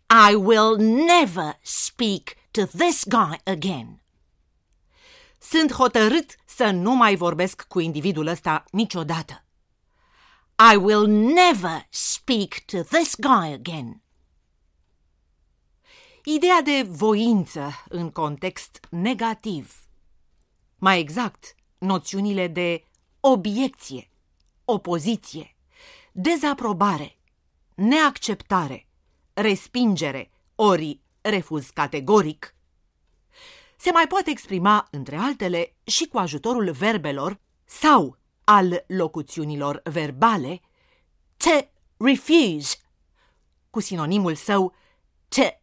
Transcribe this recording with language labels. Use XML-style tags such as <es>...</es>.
<en>I will never speak to this guy again.</en> <ro>Sunt hotărât să nu mai vorbesc cu individul ăsta niciodată.</ro> <en>I will never speak to this guy again.</en> <ro>Ideea de voință în context negativ. Mai exact, noțiunile de obiecție, opoziție, dezaprobare, neacceptare, respingere ori refuz categoric, se mai poate exprima, între altele, și cu ajutorul verbelor sau al locuțiunilor verbale</ro> <en>to refuse,</en> <ro>cu sinonimul său</ro> <en>to</en>